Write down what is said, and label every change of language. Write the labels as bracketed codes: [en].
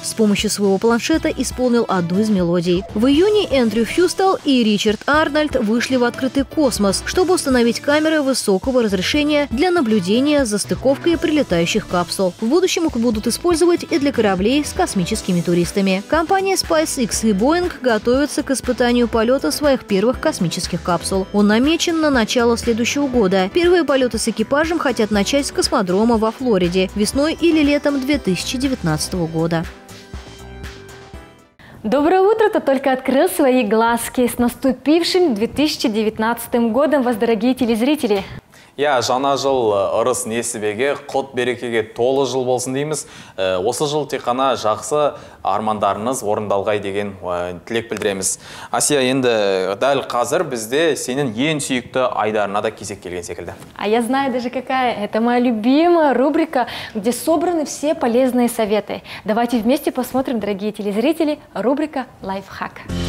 [ru] С помощью своего планшета исполнил одну из мелодий. В июне Эндрю Фьюстал и Ричард Арнольд вышли в открытый космос, чтобы установить камеры высокого разрешения для наблюдения за стыковкой прилетающих капсул. В будущем их будут использовать и для кораблей с космическими туристами. Компания SpaceX и Boeing готовятся к испытанию полета своих первых космических капсул. Он намечен на начало следующего года. Первые полеты с экипажем хотят начать с космодрома во Флориде весной или летом 2019 года. Доброе утро! Ты только открыл свои глазки. С наступившим 2019 годом вас, дорогие телезрители! [kk] Я жаңа жыл ырыс несібеге, құт берекеге толы жыл болсын дейміз. Осы жыл тек қана жақсы армандарыңыз орындалғай деген тілек білдіреміз. Асия, енді дәл қазір бізде сенің ең сүйікті айдарына да кезек келген секілді. [ru] А я знаю даже какая. Это моя любимая рубрика, где собраны все полезные советы. Давайте вместе посмотрим, дорогие телезрители, рубрика «Лайфхак».